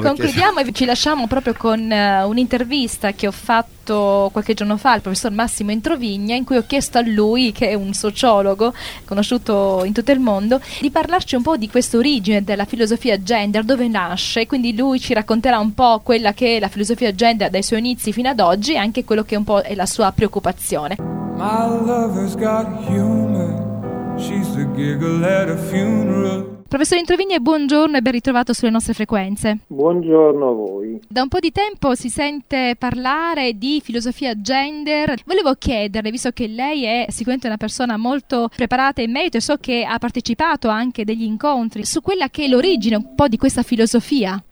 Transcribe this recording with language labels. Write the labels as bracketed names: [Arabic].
[Italian] Concludiamo e ci lasciamo proprio con un'intervista che ho fatto qualche giorno fa al professor Massimo Introvigna, in cui ho chiesto a lui, che è un sociologo conosciuto in tutto il mondo, di parlarci un po' di questa origine della filosofia gender, dove nasce. Quindi lui ci racconterà un po' quella che è la filosofia gender dai suoi inizi fino ad oggi, e anche quello che è un po' la sua preoccupazione. [English] My lover's got humor, she's a giggle at a funeral. [Italian] Professor Introvigna, buongiorno e ben ritrovato sulle nostre frequenze. Buongiorno a voi. Da un po' di tempo si sente parlare di filosofia gender. Volevo chiederle, visto che lei è sicuramente una persona molto preparata in merito e so che ha partecipato anche degli incontri, su quella che è l'origine un po' di questa filosofia.